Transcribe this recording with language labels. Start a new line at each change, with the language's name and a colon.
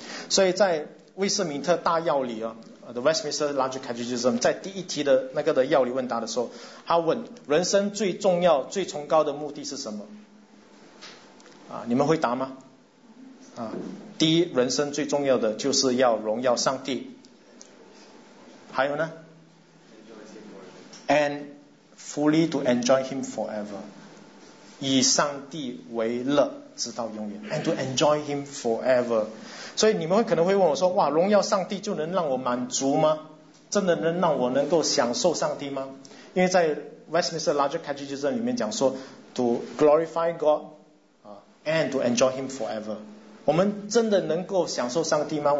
Chinese: 所以在威斯敏特大要理The Westminster Large Catechism 在第一题的那个的要理问答的时候，他问人生最重要最崇高的目的是什么？你们会答吗？第一，人生最重要的就是要荣耀上帝。还有呢？
English: And fully to enjoy him forever，
Chinese: 以上帝为乐直到永远，
English: and to enjoy him forever。
Chinese: 所以你们可能会问我说，哇，荣耀上帝就能让我满足吗？真的能让我能够享受上帝吗？因为在 Westminster Larger Catechism 里面讲说
English: to glorify God and to enjoy him forever，
Chinese: 我们真的能够享受上帝吗？